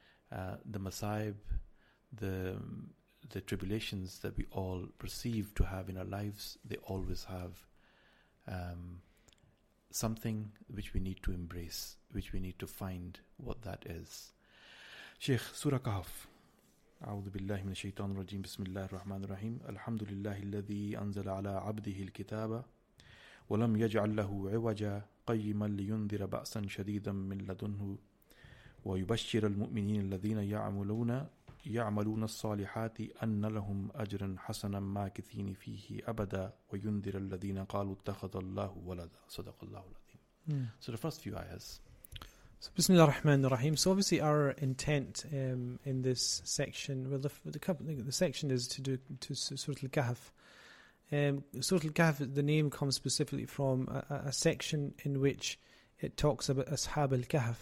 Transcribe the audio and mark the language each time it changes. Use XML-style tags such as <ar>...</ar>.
<en>The masaib, the tribulations that we all perceive to have in our lives, they always have something which we need to embrace, which we need to find what that is. Sheikh, Surah Kahf.</en> <ar>أعوذ بالله من الشيطان الرجيم بسم الله الرحمن الرحيم الحمد لله الذي أنزل على عبده الكتاب ولم يجعل له عوجا قيما لينذر بأسا شديدا من لدنه ويبشر المؤمنين الذين يعملون الصالحات أن لهم أجرا حسنا ماكثين فيه أبدا وينذر الذين قالوا اتخذ الله ولدا صدق الله العظيم.</ar> <en>So the first few ayahs. So Bismillah ar-Rahman ar-Rahim. So obviously our intent in this section, well, the section is to Surah Al-Kahf. Surah Al-Kahf, the name comes specifically from a section in which it talks about Ashab al-Kahf.</en>